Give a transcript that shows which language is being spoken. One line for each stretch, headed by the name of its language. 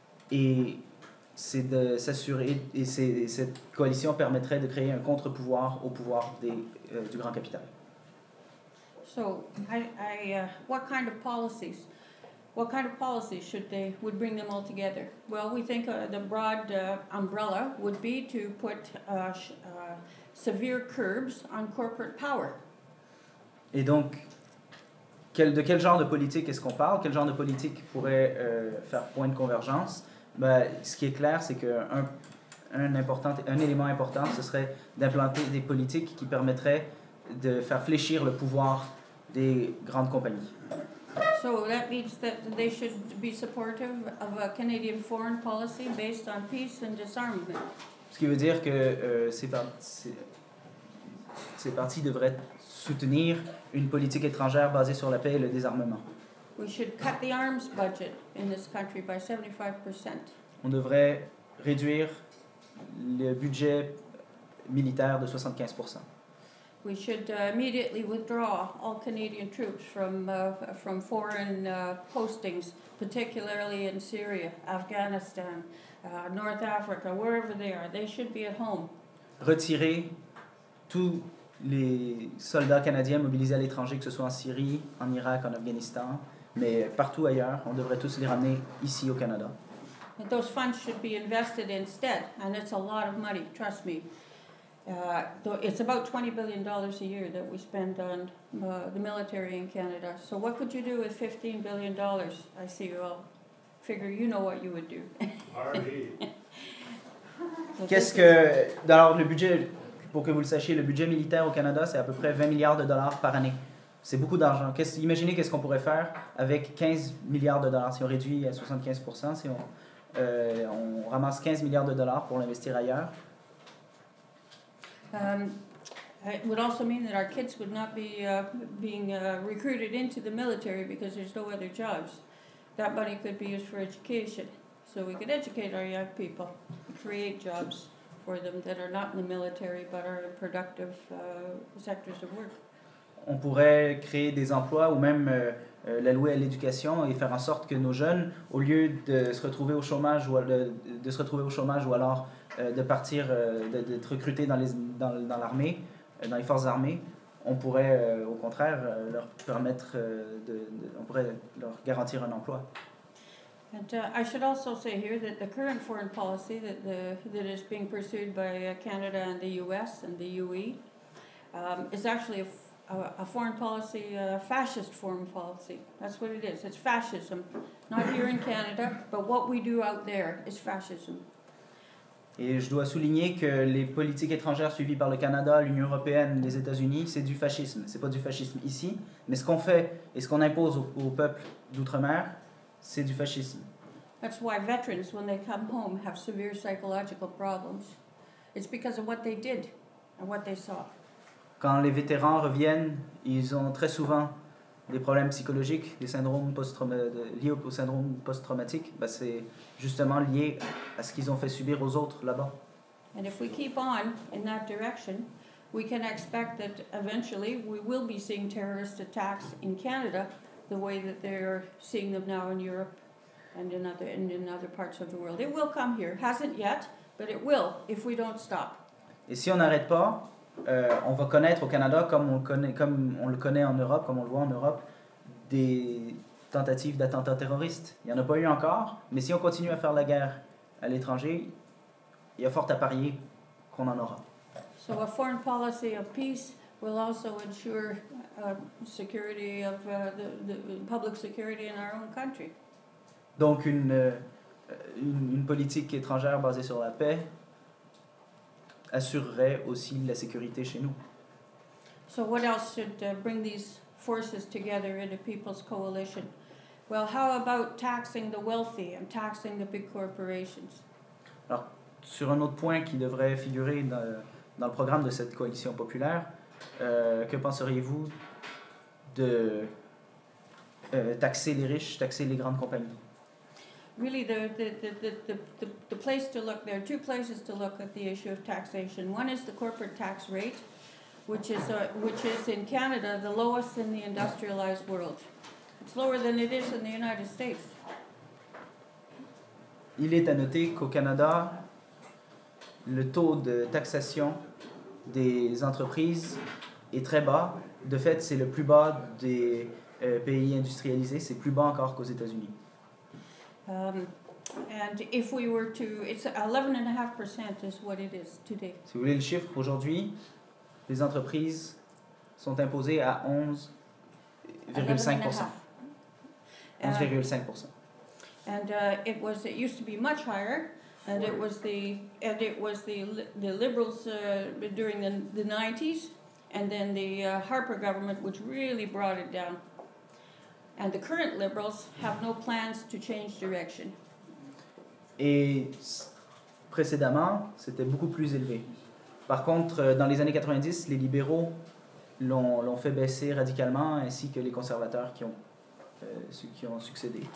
French: Et c'est de s'assurer, et cette coalition permettrait de créer un contre-pouvoir au pouvoir du grand capital.
English: So, what kind of policies What kind of policy should they would bring them all together? Well, we think the broad umbrella would be to put severe curbs on corporate power.
French: Et donc, de quel genre de politique est-ce qu'on parle? Quel genre de politique pourrait faire point de convergence? Ben, ce qui est clair, c'est que un élément important, ce serait d'implanter des politiques qui permettraient de faire fléchir le pouvoir des grandes compagnies.
English: So that means that they should be supportive of a Canadian foreign policy based on peace and disarmament.
French: Ce qui veut dire que ces partis devraient soutenir une politique étrangère basée sur la paix et le désarmement.
English: We should cut the arms budget in this country by 75%.
French: On devrait réduire le budget militaire de 75%.
English: We should immediately withdraw all Canadian troops from foreign postings, particularly in Syria, Afghanistan, North Africa, wherever they are. They should be at home.
French: Retirer tous les soldats canadiens mobilisés à l'étranger, que ce soit en Syrie, en Irak, en Afghanistan, mais partout ailleurs, on devrait tous les ramener ici au Canada.
English: But those funds should be invested instead, and it's a lot of money, trust me. It's about $20 billion a year that we spend on the military in Canada. So what could you do with $15 billion? I see you all figure you know what you would do.
French: Qu'est-ce que alors le budget, pour que vous le sachiez, le budget militaire au Canada, c'est à peu près $20 milliards par année. C'est beaucoup d'argent. Imaginez qu'est-ce qu'on pourrait faire avec $15 milliards si on réduit à 75%, si on ramasse $15 milliards pour l'investir ailleurs.
English: It would also mean that our kids would not be being recruited into the military because there's no other jobs. That money could be used for education. So we could educate our young people, create jobs for them that are not in the military but are in productive sectors of work.
French: On pourrait créer des emplois ou même l'allouer à l'éducation et faire en sorte que nos jeunes, au lieu de se retrouver au chômage ou alors de partir, d'être recruté dans l'armée, dans les forces armées, on pourrait au contraire leur permettre on pourrait leur garantir un emploi.
English: And I should also say here that the current foreign policy that is being pursued by Canada and the US and the UE is actually a foreign policy, a fascist foreign policy. That's what it is. It's fascism. Not here in Canada, but what we do out there is fascism.
French: Et je dois souligner que les politiques étrangères suivies par le Canada, l'Union européenne, les États-Unis, c'est du fascisme. C'est pas du fascisme ici, mais ce qu'on fait et ce qu'on impose au peuple d'outre-mer, c'est du fascisme.
English: That's why veterans, when they come home, have severe psychological problems. It's because of what they did and what they saw.
French: Quand les vétérans reviennent, ils ont très souvent des problèmes psychologiques, des syndromes liés au syndrome post-traumatique, ben c'est justement lié à ce qu'ils ont fait subir aux autres là-bas.
English: And if we keep on in that direction, we can expect that eventually we will be seeing terrorist attacks in Canada the way that they're seeing them now in Europe and in other parts of the world. It will come here. Hasn't yet, but it will if we don't stop.
French: Et si on n'arrête pas, on va connaître au Canada, comme on le connaît en Europe, comme on le voit en Europe, des tentatives d'attentats terroristes. Il n'y en a pas eu encore, mais si on continue à faire la guerre à l'étranger, il y a fort à parier qu'on en aura.
English: So a foreign policy of peace will also ensure security of the public security in our own country.
French: Donc une politique étrangère basée sur la paix assurerait aussi la sécurité chez nous.
English: So what else should bring these forces together in a people's coalition? Well, how about taxing the wealthy and taxing the big corporations?
French: Alors, sur un autre point qui devrait figurer dans le programme de cette coalition populaire, que penseriez-vous de taxer les riches, taxer les grandes compagnies?
English: Really, the place to look, there are two places to look at the issue of taxation. One is the corporate tax rate, which is in Canada the lowest in the industrialized world. It's lower than it is in the United States.
French: Il est à noter qu'au Canada, le taux de taxation des entreprises est très bas. De fait, c'est le plus bas des pays industrialisés, c'est plus bas encore qu'aux États-Unis.
English: And if we were to, it's 11.5% is what it is today.
French: Si vous voulez le chiffre, aujourd'hui, les entreprises sont imposées à 11,5%. 11,5%.
English: And it used to be much higher, and it was the liberals during the 90s, and then the Harper government, which really brought it down. And the current liberals have no plans to change direction.
French: Et précédemment, c'était beaucoup plus élevé. Par contre, dans les années 90, les libéraux l'ont fait baisser radicalement, ainsi que les conservateurs qui ont succédé.